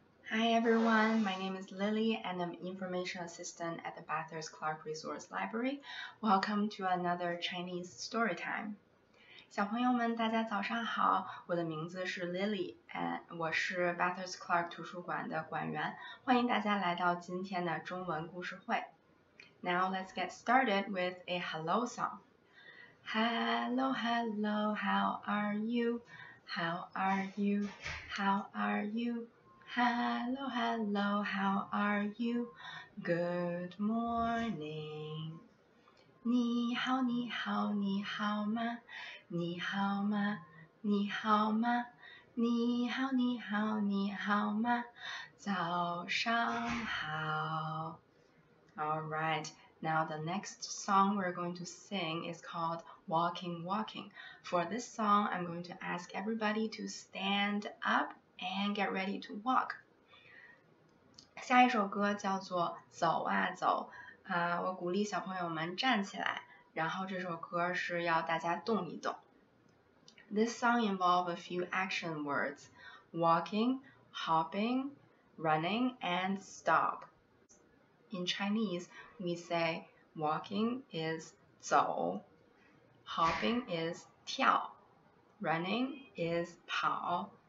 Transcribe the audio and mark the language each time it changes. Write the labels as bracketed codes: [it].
[en] Hi everyone, my name is Lily and I'm information assistant at the Bathurst Clark Resource Library. Welcome to another Chinese story time. [zh] 小朋友们大家早上好，我的名字是 Lily, 我是 Bathurst Clark 图书馆的馆员。欢迎大家来到今天的中文故事会。 [en] Now let's get started with a hello song. Hello, hello, how are you? How are you? How are you? Hello, hello, how are you? Good morning. [zh] 你好，你好，你好吗？你好吗？你好吗？你好，你好，你好吗？早上好。 [en] All right, now the next song we're going to sing is called Walking, Walking. For this song, I'm going to ask everybody to stand up. And get ready to walk. [zh] 下一首歌叫做走啊走啊，我鼓励小朋友们站起来，然后这首歌是要大家动一动。 [en] This song involves a few action words, walking, hopping, running, and stop. In Chinese, we say walking is 走, hopping is 跳, running is 跑。